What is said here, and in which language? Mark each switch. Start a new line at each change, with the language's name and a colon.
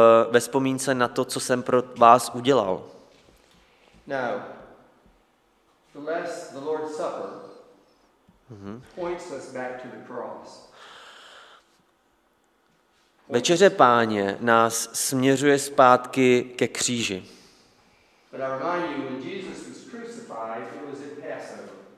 Czech: Ve vzpomínce na to, co jsem pro vás udělal.
English: Now, the Lord's Supper points us back to the cross.
Czech: Večeře Páně nás směřuje zpátky ke kříži.
English: But I remind you, when Jesus was crucified, it was at Passover.